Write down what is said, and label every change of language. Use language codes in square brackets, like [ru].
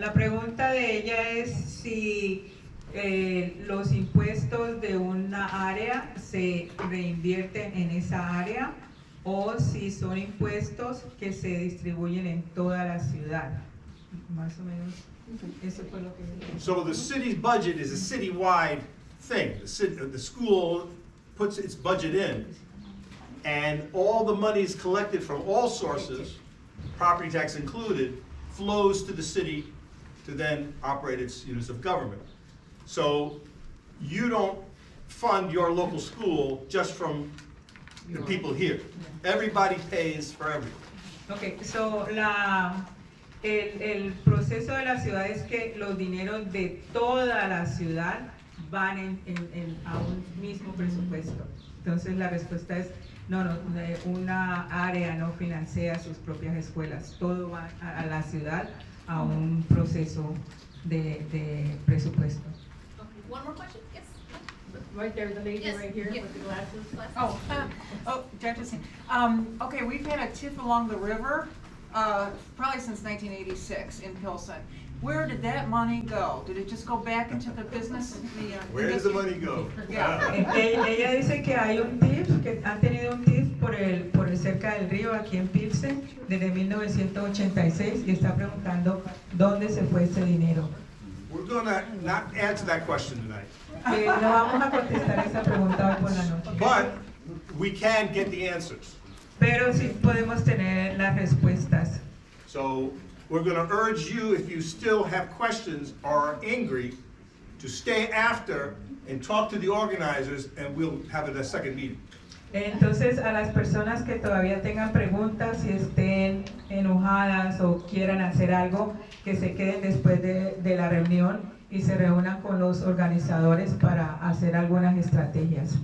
[es] La pregunta de ella es si los impuestos de una área se reinvierten en esa área o si son impuestos que se distribuyen en toda la ciudad. Más o menos. Eso fue lo que. [en] So the city's budget is a citywide thing. The school puts its budget in. And all the money is collected from all sources, property tax included, flows to the city to then operate its units of government. So you don't fund your local school just from the people here. Everybody pays for everything. [es] Okay, so el proceso de la ciudad es que los dineros de toda la ciudad van a un mismo presupuesto. Entonces la respuesta es, No, una área no financia sus propias escuelas. Todo va a la ciudad a un proceso de presupuesto. [en] Okay. One more question? Yes. Right there, the lady yes. right here yes. with the glasses. Okay, we've had a TIF along the river probably since 1986 in Pilsen. Where did that money go? Did it just go back into the business? Where does the money go? Yeah. [es] Ella dice que hay un TIF, que han tenido un TIF por el cerca del río aquí en Pilsen desde 1986 y está preguntando dónde se fue ese dinero. [en] We're going to not answer that question tonight. [es] No vamos a contestar esa pregunta por la noche. [en] But we can get the answers. [es] Pero sí podemos tener las respuestas. [en] So we're going to urge you, if you still have questions or are angry, to stay after and talk to the organizers, and we'll have a second meeting. [es] Entonces, a las personas que todavía tengan preguntas, si estén enojadas o quieran hacer algo, que se queden después de la reunión y se reúnan con los organizadores para hacer algunas estrategias.